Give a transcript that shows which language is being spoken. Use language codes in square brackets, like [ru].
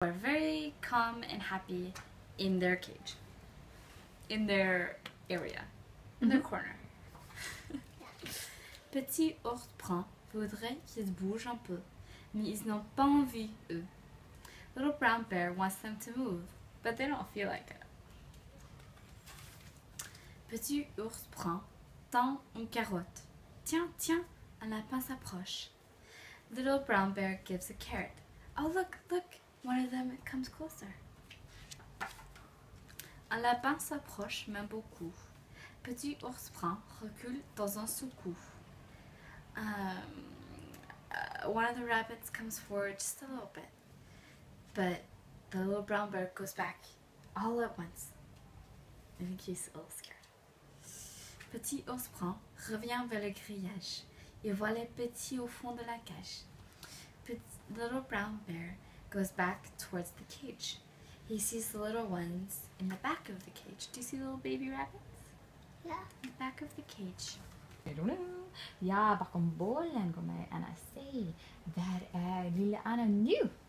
[en] are very calm and happy in their cage, in their area, mm-hmm. in their corner. [fr] Petit ours brun voudrait qu'ils bougent un peu, mais ils n'ont pas envie, eux. [en] Little brown bear wants them to move, but they don't feel like it. [fr] Petit ours brun tend une carotte. Tiens, tiens, un lapin s'approche. [en] Little brown bear gives a carrot. Oh, look, look, one of them comes closer. [fr] Un lapin s'approche, mais beaucoup. Petit ours brun recule dans un soucou. [en] One of the rabbits comes forward just a little bit. But the little brown bear goes back all at once. I think he's a little scared. [fr] Petit ours brun revient vers le grillage. Il voit les petits au fond de la cage. [en] Little brown bear goes back towards the cage. He sees the little ones in the back of the cage. Do you see the little baby rabbits? Yeah. In the back of the cage. I don't know. Yeah, back on bowling, come and I say that little Anna knew.